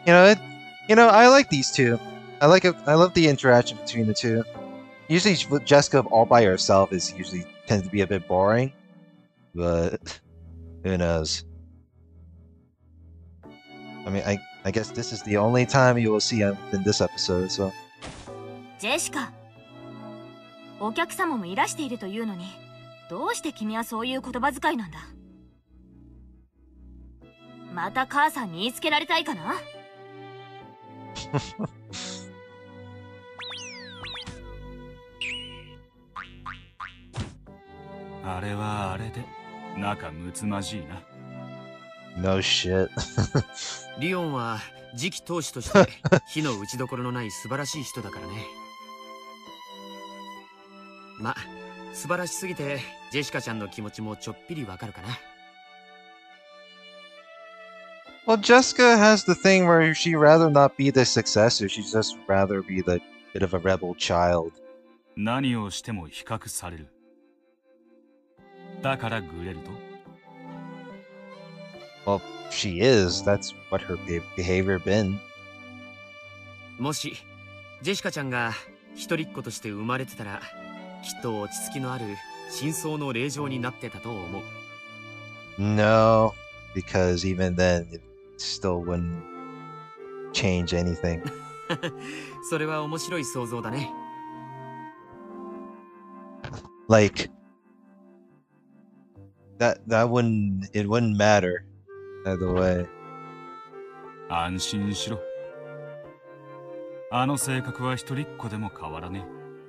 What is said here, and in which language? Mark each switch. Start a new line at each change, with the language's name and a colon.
English: I like these two. I love the interaction between the two. Usually, Jessica all by herself is usually tends to be a bit boring. But who knows? I mean, I guess this is the only time you will see him in this episode. So.
Japanese: Jessica, お客様もいらしているというのに、どうして君はそういう言葉遣いなんだ。また母さんに言いつけられたいかな。あれはあれで仲睦まじいな。
English: No shit.
Japanese: リオンは次期当主として火の打ち所のない素晴らしい人だからね。ま、素晴らしすぎてジェシカちゃんの気持ちもちょっぴりわかるかな。
English: Well, Jessica has the thing where she'd rather not be the successor. She'd just rather be the bit of a rebel child.
Japanese: 何をしても比較される。だからグレルト。
English: Well, she is. That's what her behavior been.
Japanese: もし、ジェシカちゃんが一人っ子として生まれてたら、きっと落ち着きのある真相の霊嬢になってたと思う。
English: No, because even then, still wouldn't change anything.
Japanese: それは面白い想像だね。
English: Like that wouldn't it wouldn't matter either way.
Japanese: 安心しろ。あの性格は一人っ子でも変わらねえ。